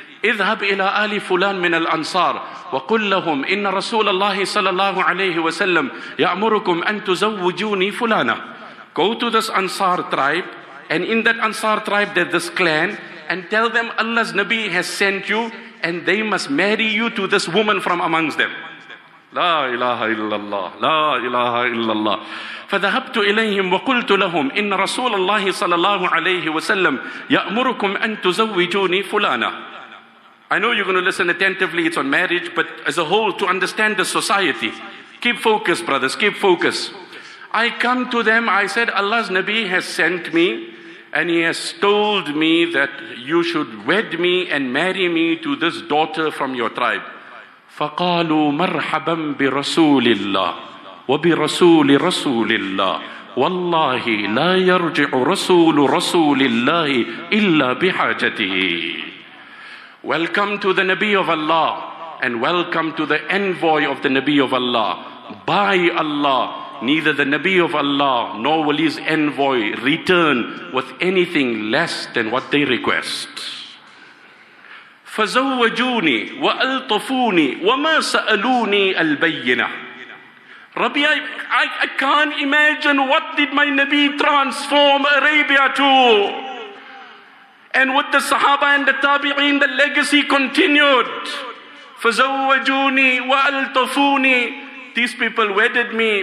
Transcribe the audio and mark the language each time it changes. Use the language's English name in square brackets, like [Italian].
[Arabic] اذهب إلى آل فلان من الأنصار وقل لهم إن رسول الله صلى الله عليه وسلم يأمركم أن تزوجوني فلانا. [English] Go to this Ansar tribe, and in that Ansar tribe there's this clan, and tell them Allah's Nabi has sent you, and they must marry you to this woman from amongst them. [Arabic] لا إله إلا الله لا إله إلا الله. فذهبت إليهم وقلت لهم إن رسول الله صلى الله عليه وسلم يأمركم أن تزوجوني فلانا. [English] I know you're going to listen attentively, it's on marriage, but as a whole, to understand the society. Keep focus, brothers, keep focus. I come to them, I said, Allah's Nabi has sent me, and he has told me that you should wed me and marry me to this daughter from your tribe. [Arabic] فَقَالُوا مَرْحَبًا بِرَسُولِ اللَّهِ وَبِرَسُولِ رَسُولِ اللَّهِ وَاللَّهِ لَا يَرْجِعُ رَسُولُ رَسُولِ اللَّهِ إِلَّا بِحَاجَتِهِ. [English] Welcome to the Nabi of Allah, and welcome to the envoy of the Nabi of Allah. By Allah, neither the Nabi of Allah nor will his envoy return with anything less than what they request. [Arabic] فزوجوني وألطفوني وما سألوني البينة. [English] Rabbi, I can't imagine what did my Nabi transform Arabia to. And with the Sahaba and the Tabi'een, the legacy continued. [Arabic] فَزَوَّجُونِي وَأَلْتَفُونِي. [English] These people wedded me.